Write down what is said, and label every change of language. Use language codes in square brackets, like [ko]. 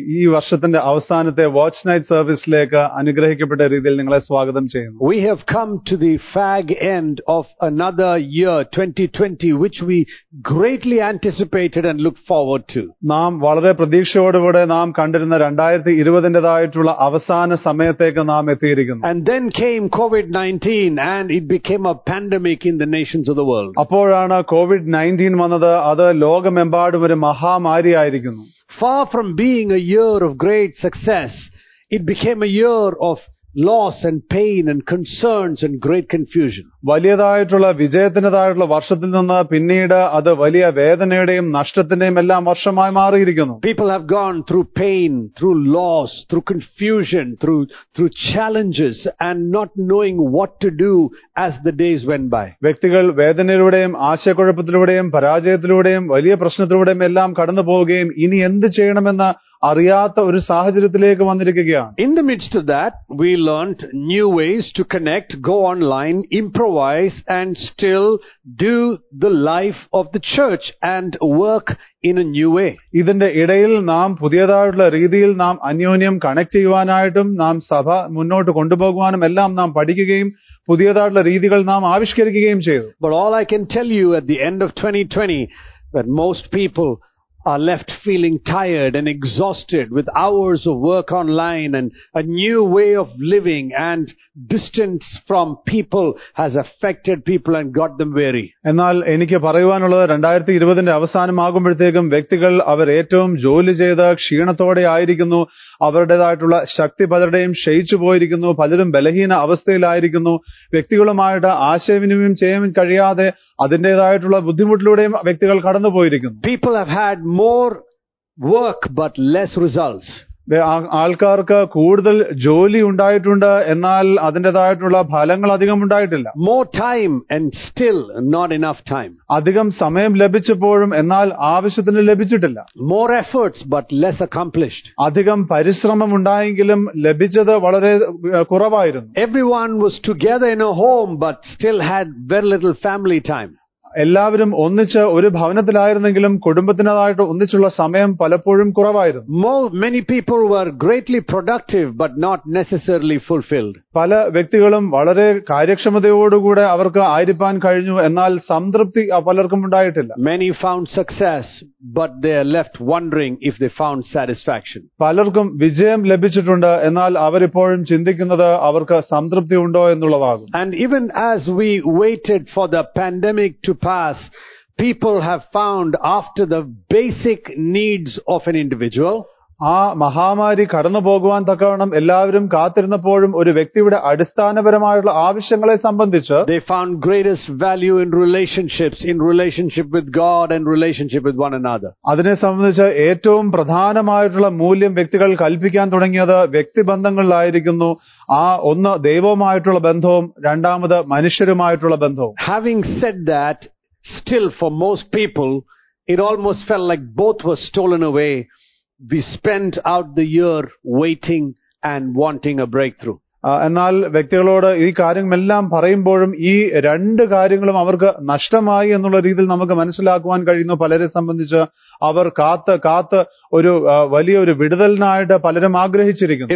[ml] ഈ വർഷത്തിന്റെ അവസാനത്തെ വാച്ച് നൈറ്റ് സർവീസിലേക്ക് അനുഗ്രഹിക്കപ്പെട്ട രീതിയിൽ നിങ്ങളെ സ്വാഗതം ചെയ്യുന്നു. [en] We have come to the fag end of another year, 2020, which we greatly anticipated and looked forward to. [ml] നാം വളരെ പ്രതീക്ഷയോടുകൂടെ നാം കണ്ടിരുന്ന 2020-ന്റേതായിട്ടുള്ള അവസാന സമയത്തേക്ക് നാം എത്തിയിരിക്കുന്നു. [en] And then came COVID-19 and it became a pandemic in the nations of the world. [ml] അപ്പോഴാണ് COVID-19 വന്നത്. അത് ലോകമെമ്പാടും ഒരു മഹാമാരി ആയിരിക്കുന്നു. [en] Far from being a year of great success, it became a year of loss and pain and concerns and great confusion. [ml] വലിയതായിട്ടുള്ള വിജയത്തിന്റേതായിട്ടുള്ള വർഷത്തിൽ നിന്ന് പിന്നീട് അത് വലിയ വേദനയുടെയും നഷ്ടത്തിന്റെയും എല്ലാം വർഷമായി മാറിയിരിക്കുന്നു. [en] People have gone through pain, through loss, through confusion, through challenges and not knowing what to do as the days went by. [ml] വ്യക്തികൾ വേദനയിലൂടെയും ആശയക്കുഴപ്പത്തിലൂടെയും പരാജയത്തിലൂടെയും വലിയ പ്രശ്നത്തിലൂടെയും എല്ലാം കടന്നു പോവുകയും ഇനി എന്ത് ചെയ്യണമെന്ന് അറിയാത്ത ഒരു സാഹചര്യത്തിലേക്ക് വന്നിരിക്കുകയാണ്. [en] In the midst of that, we learned new ways to connect, go online, improvise and still do the life of the church and work in a new way. [ml] ഇതിന്റെ ഇടയിൽ നാം പുതിയതായിട്ടുള്ള രീതിയിൽ നാം അന്യോന്യം കണക്ട് ചെയ്യുവാനായിട്ടും നാം സഭ മുന്നോട്ട് കൊണ്ടുപോകുവാനും എല്ലാം നാം പഠിക്കുകയും പുതിയതായിട്ടുള്ള രീതികൾ നാം ആവിഷ്കരിക്കുകയും ചെയ്തു. [en] But all I can tell you at the end of 2020 that most people are left feeling tired and exhausted with hours of work online and a new way of living and distance from people has affected people and got them weary. [ml] എന്നാൽ എനിക്ക് പറയുവാനുള്ളത് 2020-ന്റെ അവസാനം ആകുമ്പോഴത്തേക്കും വ്യക്തികൾ അവർ ഏറ്റവും ജോലി ചെയ്ത് ക്ഷീണത്തോടെ ആയിരിക്കുന്നു. അവരുടേതായിട്ടുള്ള ശക്തി പലരുടെയും ക്ഷയിച്ചു പോയിരിക്കുന്നു. പലരും ബലഹീന അവസ്ഥയിലായിരിക്കുന്നു. വ്യക്തികളുമായിട്ട് ആശയവിനിമയം ചെയ്യാൻ കഴിയാതെ അതിന്റേതായിട്ടുള്ള ബുദ്ധിമുട്ടിലൂടെയും വ്യക്തികൾ കടന്നു പോയിരിക്കുന്നു. [en] People have had more work but less results. [ml] ആൾക്കാർക്ക് കൂടുതൽ ജോലി ഉണ്ടായിട്ടുണ്ട്, എന്നാൽ അതിന്റേതായിട്ടുള്ള ഫലങ്ങൾ അധികം ഉണ്ടായിട്ടില്ല. [en] More time and still not enough time. [ml] അധികം സമയം ലഭിച്ചപ്പോഴും എന്നാൽ ആവശ്യത്തിന് ലഭിച്ചിട്ടില്ല. [en] More efforts but less accomplished. [ml] അധികം പരിശ്രമം ഉണ്ടായെങ്കിലും ലഭിച്ചത് വളരെ കുറവായിരുന്നു. [en] Everyone was together in a home but still had very little family time. [ml] എല്ലാവരും ഒന്നിച്ച് ഒരു ഭവനത്തിലായിരുന്നെങ്കിലും കുടുംബത്തിനായിട്ട് ഒന്നിച്ചുള്ള സമയം പലപ്പോഴും കുറവായിരുന്നു. [en] Many people were greatly productive but not necessarily fulfilled. [ml] പല വ്യക്തികളും വളരെ കാര്യക്ഷമതയോടുകൂടെ അവർക്ക് ആയിരിക്കാൻ കഴിഞ്ഞു, എന്നാൽ സംതൃപ്തി പലർക്കും ഉണ്ടായിട്ടില്ല. [en] Many found success but they are left wondering if they found satisfaction. [ml] പലർക്കും വിജയം ലഭിച്ചിട്ടുണ്ട്, എന്നാൽ അവരിപ്പോഴും ചിന്തിക്കുന്നത് അവർക്ക് സംതൃപ്തി ഉണ്ടോ എന്നുള്ളതാകും. [en] And even as we waited for the pandemic to pass, people have found after the basic needs of an individual, [ml] ആ മഹാമാരി കടന്നു പോകുവാൻ തക്കവണ്ണം എല്ലാവരും കാത്തിരുന്നപ്പോഴും ഒരു വ്യക്തിയുടെ അടിസ്ഥാനപരമായിട്ടുള്ള ആവശ്യങ്ങളെ സംബന്ധിച്ച് [en] they found greatest value in relationship with God and relationship with one another. [ml] അതിനെ സംബന്ധിച്ച് ഏറ്റവും പ്രധാനമായിട്ടുള്ള മൂല്യം വ്യക്തികൾ കൽപ്പിക്കാൻ തുടങ്ങിയത് വ്യക്തിബന്ധങ്ങളിലായിരിക്കുന്നു. ആ ഒന്ന് ദൈവവുമായിട്ടുള്ള ബന്ധവും രണ്ടാമത് മനുഷ്യരുമായിട്ടുള്ള ബന്ധവും. [en] Having said that, still for most people it almost felt like both were stolen away. We spent out the year waiting and wanting a breakthrough. [ml] എന്നാൽ വ്യക്തികളോട് ഈ കാര്യങ്ങളെല്ലാം പറയുമ്പോഴും ഈ രണ്ട് കാര്യങ്ങളും അവർക്ക് നഷ്ടമായി എന്നുള്ള രീതിയിൽ നമുക്ക് മനസ്സിലാക്കുവാൻ കഴിയുന്നു. പലരെ സംബന്ധിച്ച് അവർ കാത്ത് ഒരു വലിയ ഒരു വിടുതലിനായിട്ട് പലരും ആഗ്രഹിച്ചിരിക്കുന്നു.